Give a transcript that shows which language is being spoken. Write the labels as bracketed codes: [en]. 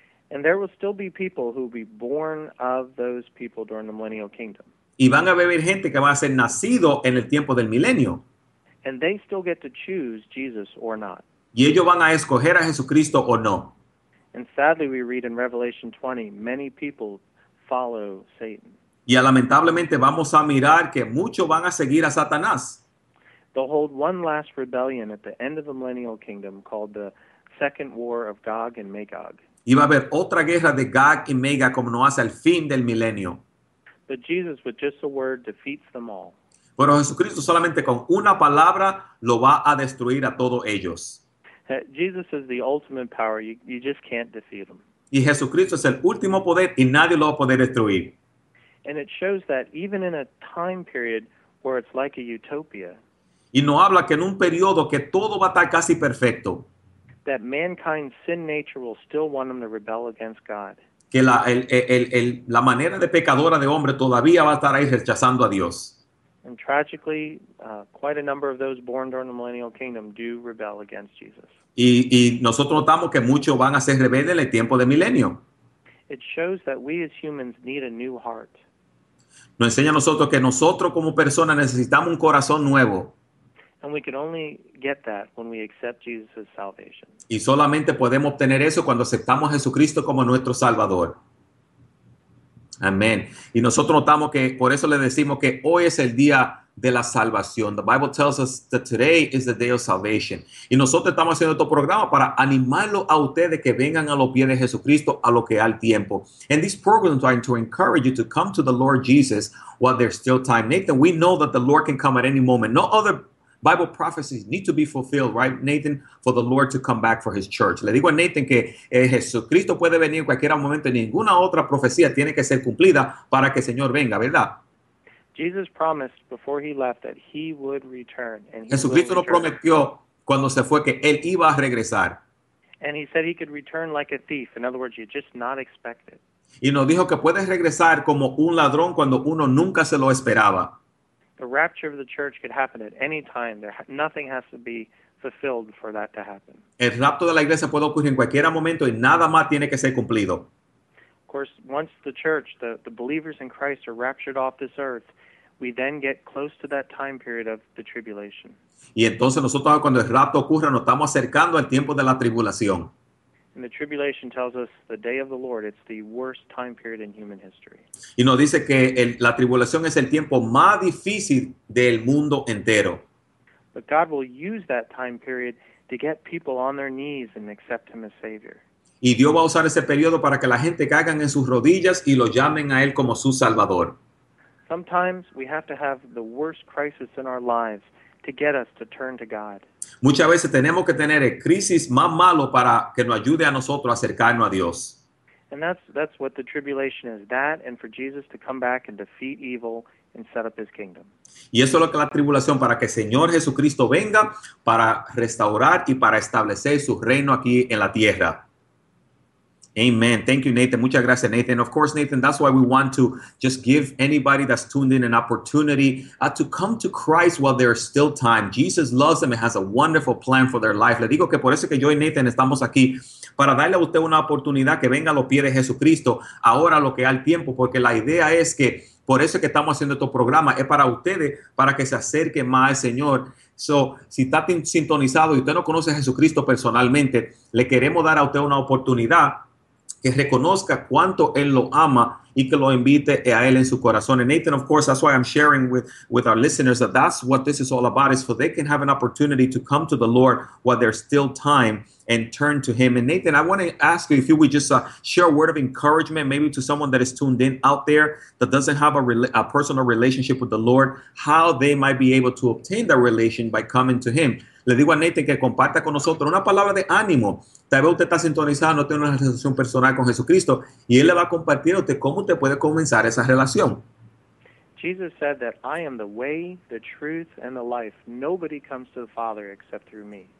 [en] And there will still be people who will be born of those people during the millennial kingdom. [es] Y van a haber gente que va a ser nacido en el tiempo del milenio. [en] And they still get to choose Jesus or not. [es] Y ellos van a escoger a Jesucristo o no. [en] And sadly we read in Revelation 20, many people follow Satan. [es] Y lamentablemente vamos a mirar que muchos van a seguir a Satanás. [en] They'll hold one last rebellion at the end of the millennial kingdom called the Second War of Gog and Magog. [es] Y va a haber otra guerra de Gog y Magog como no hace al fin del milenio. [en] But Jesus, with just a word, defeats them all. [es] Pero Jesucristo solamente con una palabra lo va a destruir a todos ellos. [en] Jesus is the ultimate power. You just can't defeat him. [es] Y Jesucristo es el último poder y nadie lo va a poder destruir. [en] And it shows that even in a time period where it's like a utopia. [es] Y nos habla que en un periodo que todo va a estar casi perfecto. [en] That mankind's sin nature will still want them to rebel against God. [es] Que la manera de pecadora de hombre todavía va a estar ahí rechazando a Dios. [en] And tragically, quite a number of those born during the millennial kingdom do rebel against Jesus. [es] Y nosotros notamos que muchos van a ser rebeldes en el tiempo del milenio. [en] It shows that we as humans need a new heart. [es] Nos enseña a nosotros que nosotros como personas necesitamos un corazón nuevo. [en] And we can only get that when we accept Jesus' salvation. [es] Y solamente podemos obtener eso cuando aceptamos a Jesucristo como nuestro Salvador. Amén. Y nosotros notamos que por eso le decimos que hoy es el día de la salvación. [en] The Bible tells us that today is the day of salvation. [es] Y nosotros estamos haciendo este programa para animarlo a ustedes que vengan a los pies de Jesucristo a lo que al tiempo. [en] And these programs are to encourage you to come to the Lord Jesus while there's still time. Nathan, we know that the Lord can come at any moment. No other Bible prophecies need to be fulfilled, right, Nathan, for the Lord to come back for his church. [es] Le digo a Nathan que Jesucristo puede venir en cualquier momento y ninguna otra profecía tiene que ser cumplida para que el Señor venga, ¿verdad? [en] Jesus promised before he left that he would return. And he [es] Jesucristo nos prometió cuando se fue que él iba a regresar. [en] And he said he could return like a thief. In other words, you just not expect it. [es] Y nos dijo que puede regresar como un ladrón cuando uno nunca se lo esperaba. [en] The rapture of the church could happen at any time. Nothing has to be fulfilled for that to happen. [es] El rapto de la iglesia puede ocurrir en cualquier momento y nada más tiene que ser cumplido. [en] Of course, once the church, the believers in Christ are raptured off this earth, we then get close to that time period of the tribulation. [es] Y entonces nosotros cuando el rapto ocurra nos estamos acercando al tiempo de la tribulación. [en] And the tribulation tells us the day of the Lord, it's the worst time period in human history. [es] Y nos dice que la tribulación es el tiempo más difícil del mundo entero. [en] But God will use that time period to get people on their knees and accept him as Savior. [es] Y Dios va a usar ese periodo para que la gente caigan en sus rodillas y lo llamen a él como su Salvador. [en] Sometimes we have to have the worst crisis in our lives to get us to turn to God. [es] Muchas veces tenemos que tener el crisis más malo para que nos ayude a nosotros a acercarnos a Dios. [en] And that's what the tribulation is, that and for Jesus to come back and defeat evil and set up his kingdom. [es] Y eso es lo que la tribulación, para que el Señor Jesucristo venga para restaurar y para establecer su reino aquí en la tierra. [en] Amen. Thank you, Nathan. [es] Muchas gracias, Nathan. [en] Of course, Nathan, that's why we want to just give anybody that's tuned in an opportunity to come to Christ while there's still time. Jesus loves them and has a wonderful plan for their life. [es] Le digo que por eso que yo y Nathan estamos aquí, para darle a usted una oportunidad que venga a los pies de Jesucristo ahora lo que hay tiempo, porque la idea es que por eso que estamos haciendo estos programas es para ustedes, para que se acerquen más al Señor. So, si está sintonizado y usted no conoce a Jesucristo personalmente, le queremos dar a usted una oportunidad que reconozca cuánto Él lo ama y que lo invite a Él en su corazón. [en] And Nathan, of course, that's why I'm sharing with our listeners that that's what this is all about, is for they can have an opportunity to come to the Lord while there's still time and turn to Him. And Nathan, I want to ask you if you would just share a word of encouragement maybe to someone that is tuned in out there that doesn't have a personal relationship with the Lord, how they might be able to obtain that relation by coming to Him. [es] Le digo a Nathan que comparta con nosotros una palabra de ánimo. Tal vez usted está sintonizado, no tiene una relación personal con Jesucristo, y Él le va a compartir a usted cómo usted puede comenzar esa relación. [en] Jesus said that I am the way, the truth, and the life. Nobody comes to the Father except through me.